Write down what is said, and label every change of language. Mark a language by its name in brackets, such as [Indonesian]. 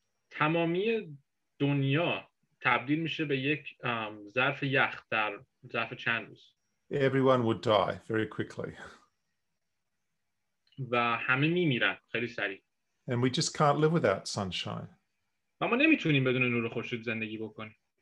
[Persian] تمامی دنیا تبدیل میشه به یک ظرف یخ در ظرف چند روز. [English] Everyone would die very quickly. [Persian] و همه میمیرن خیلی سریع. [English] And we just can't live without sunshine. [Persian] ما نمیتونیم بدون نور خورشید زندگی بکنیم.